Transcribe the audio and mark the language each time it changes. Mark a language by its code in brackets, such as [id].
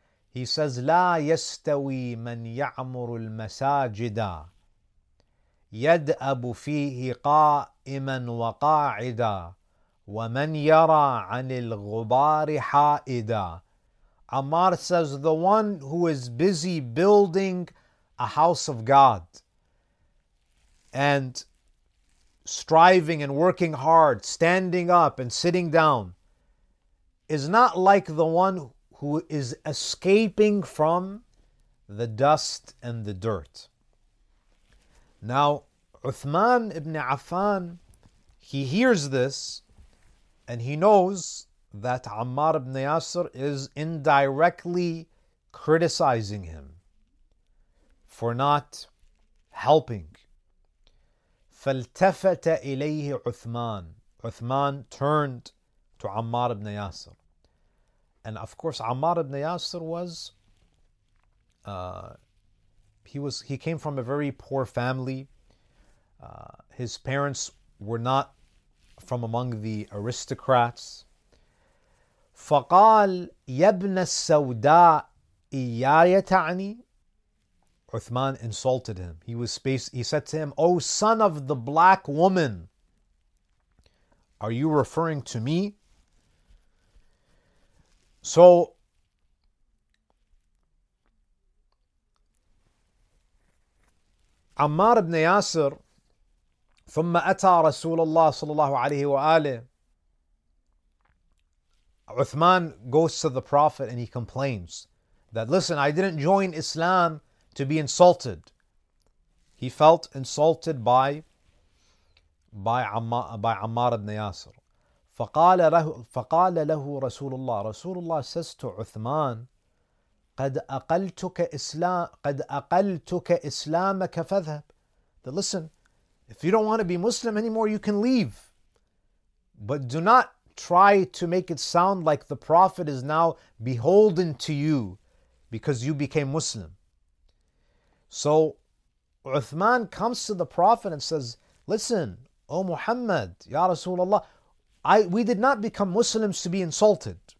[en] He says, [ar] لا يستوي من يعمر المساجد يدأب فيه قائما وقاعدا ومن يرى عن الغبار حائدا. [en] Ammar says, the one who is busy building a house of God and striving and working hard, standing up and sitting down, is not like the one who is escaping from the dust and the dirt. Now, Uthman ibn Affan, he hears this, and he knows that Ammar ibn Yasir is indirectly criticizing him for not helping. [ar] فَالْتَفَتَ إِلَيْهِ [en] Uthman. Uthman turned to Ammar ibn Yasir. And of course, Ammar ibn Yasir was—he came from a very poor family. His parents were not from among the aristocrats. [ar] فقال يبن السوداء إياي تعني. [en] Uthman insulted him. He was space. He said to him, "O son of the black woman, are you referring to me?" So [ar] Ammar ibn Yasir, ثم أتى رسول الله صلى الله عليه وآله. [en] Uthman goes to the Prophet and he complains that, listen, I didn't join Islam to be insulted. He felt insulted by Ammar ibn Yasir. [ar] فقال له رسول الله, رسول الله [en] says to Uthman, [ar] قد أقلتك إسلامك فذهب. [en] That, listen, if you don't want to be Muslim anymore, you can leave. But do not try to make it sound like the Prophet is now beholden to you because you became Muslim. So Uthman comes to the Prophet and says, listen, O Muhammad, Ya Rasulullah, we did not become Muslims to be insulted.